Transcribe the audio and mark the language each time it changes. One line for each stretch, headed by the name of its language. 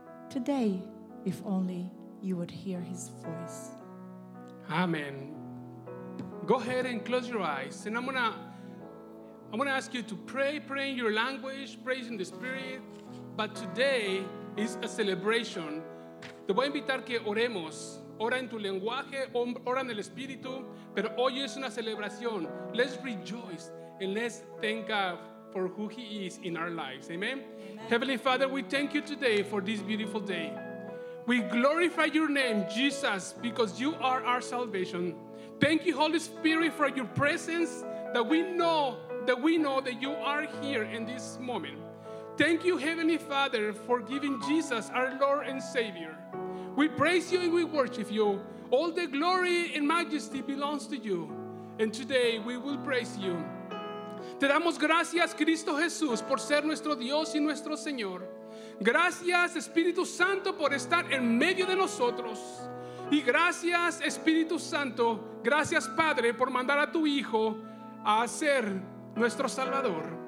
English: Today, if only you would hear His voice. Amen. Go ahead and close your eyes, and I'm gonna ask you to pray in your language, pray in the Spirit, but today is a celebration.
Spanish: Te voy a invitar que oremos. Ora en tu lenguaje, ora en el espíritu, pero hoy es una celebración.
English: Let's rejoice and let's thank God for who He is in our lives. Amen? Amen. Heavenly Father, we thank you today for this beautiful day. We glorify your name, Jesus, because you are our salvation. Thank you, Holy Spirit, for your presence, that we know that you are here in this moment. Thank you, Heavenly Father, for giving Jesus our Lord and Savior. We praise you and we worship you. All the glory and majesty belongs to you. And today we will praise you.
Spanish: Te damos gracias, Cristo Jesús, por ser nuestro Dios y nuestro Señor. Gracias, Espíritu Santo, por estar en medio de nosotros. Y gracias, Espíritu Santo, gracias, Padre, por mandar a tu Hijo a ser nuestro Salvador.